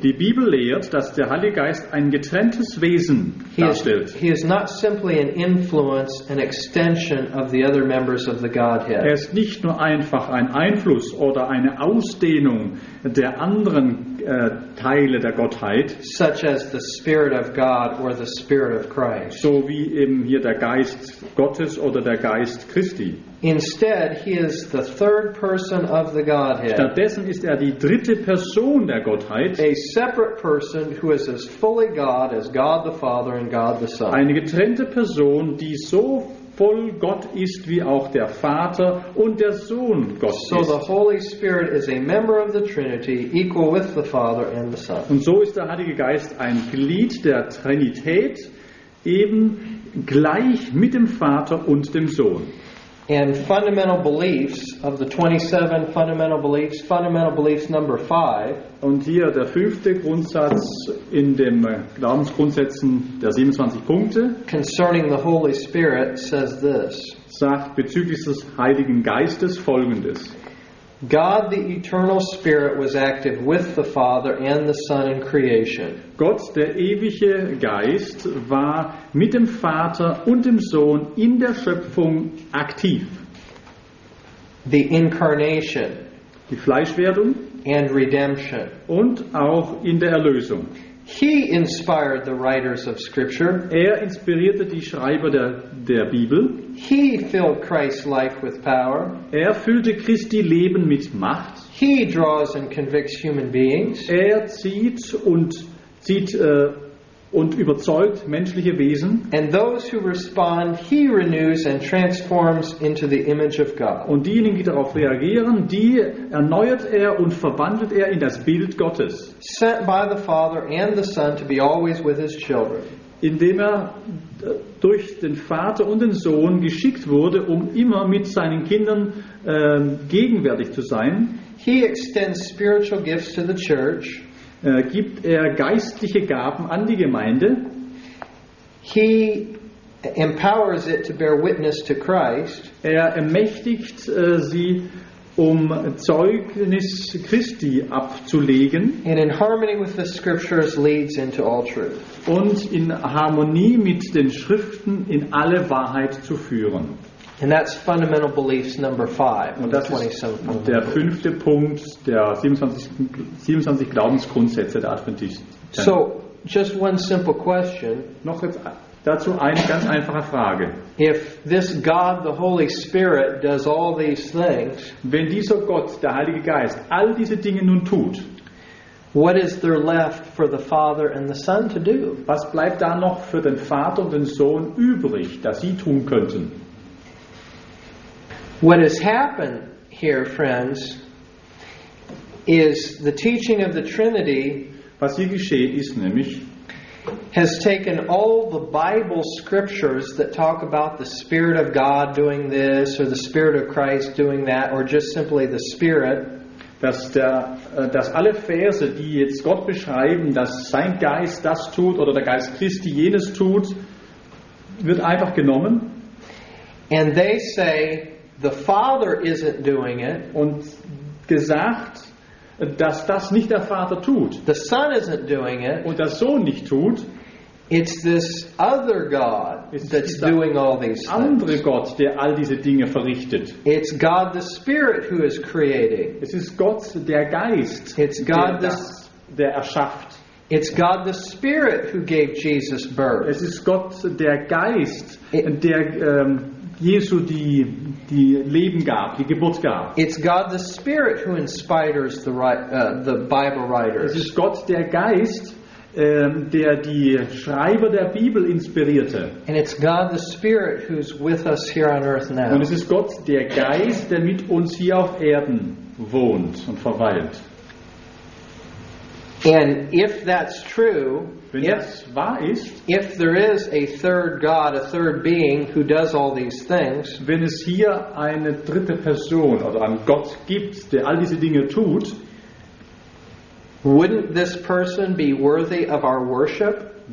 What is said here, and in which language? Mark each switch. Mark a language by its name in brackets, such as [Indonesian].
[German] Die Bibel lehrt, dass der Heilige Geist ein getrenntes Wesen darstellt. [English] He is not simply an influence, an extension of the other members of the Godhead. [German] Er ist nicht nur einfach ein Einfluss oder eine Ausdehnung der anderen Teile der Gottheit, [English] such as the Spirit of God or the Spirit of Christ. [German] So wie eben hier der Geist Gottes oder der Geist Christi. [English] Instead, he is the third person of the Godhead. [German] Stattdessen ist er die dritte Person der Gottheit. [English] A separate person who is as fully God as God the Father and God the Son. [German] Eine getrennte Person, die so voll Gott ist wie auch der Vater und der Sohn Gott ist. [English] So the Holy Spirit is a member of the Trinity, equal with the Father and the Son. [German] Und so ist der Heilige Geist ein Glied der Trinität, eben gleich mit dem Vater und dem Sohn. [English] And fundamental beliefs of the 27 fundamental beliefs number 5. [German] Und hier der fünfte Grundsatz in dem Glaubensgrundsätzen der 27 Punkte. [English] Concerning the Holy Spirit says this. [German] Sagt bezüglich des Heiligen Geistes Folgendes. [English] God the eternal Spirit was active with the Father and the Son in creation. [German] Gott der ewige Geist war mit dem Vater und dem Sohn in der Schöpfung aktiv. [English] The incarnation, [German] die Fleischwerdung [English] and redemption [German] und auch in der Erlösung. [English] He inspired the writers of Scripture. [German] Er inspirierte die Schreiber der Bibel. [English] He filled Christ's life with power. [German] Er füllte Christi Leben mit Macht. [English] He draws and convicts human beings. [German] Er zieht und überzeugt menschliche Wesen. [English] And those who respond, he renews and transforms into the image of God. [German] Und diejenigen, die darauf reagieren, die erneuert er und verwandelt er in das Bild Gottes. [English] Sent by the Father and the Son to be always with his children. [German] Indem er durch den Vater und den Sohn geschickt wurde, um immer mit seinen Kindern gegenwärtig zu sein. [English] He extends spiritual gifts to the church. [German] Gibt er geistliche Gaben an die Gemeinde. [English] He empowers it to bear witness to Christ. [German] Er ermächtigt sie, um Zeugnis Christi abzulegen. [English] And in harmony with the scriptures leads into all truth. [German] Und in Harmonie mit den Schriften in alle Wahrheit zu führen. [English] And that's fundamental beliefs number 5. [German] Und das ist der fünfte Punkt der 27 Glaubensgrundsätze der Adventisten. [English] So, just one simple question. [German] Noch jetzt dazu eine ganz einfache Frage. [English] If this God, the Holy Spirit, does all these things, [German] wenn dieser Gott, der Heilige Geist, all diese Dinge nun tut, [English] what is there left for the Father and the Son to do? [German] Was bleibt da noch für den Vater und den Sohn übrig, dass sie tun könnten? [English] What has happened here, friends, is the teaching of the Trinity. [German] Was hier geschehen ist, nämlich, [English] has taken all the Bible scriptures that talk about the Spirit of God doing this or the Spirit of Christ doing that or just simply the Spirit. [German] Dass alle Verse, die jetzt Gott beschreiben, dass sein Geist das tut oder der Geist Christi jenes tut, wird einfach genommen. [English] And they say, the Father isn't doing it. [German] Und gesagt, dass das nicht der Vater tut. [English] The Son isn't doing it. [German] Und der Sohn nicht tut. [English] It's this other God that's doing all these things. [German] Andere Gott, der all diese Dinge verrichtet. [English] It's God the Spirit who is creating. [German] Es ist Gott der Geist. [English] It's God [German] der erschafft. [English] It's God the Spirit who gave Jesus birth. [German] Es ist Gott der Geist, der Jesu die Leben gab, die Geburt gab. [English] It's God the Spirit who inspires the Bible writers. [German] Es ist Gott der Geist, der die Schreiber der Bibel inspirierte. [English] And it's God the Spirit who's with us here on earth now. [German] Und es ist Gott der Geist, der mit uns hier auf Erden wohnt und verweilt. [English] And if that's true, [German] wenn das wahr ist, [English] if there is a third God, a third being who does all these things, [German] wenn es hier eine dritte Person oder einen Gott gibt, der all diese Dinge tut, [English] wouldn't this person be worthy of our worship?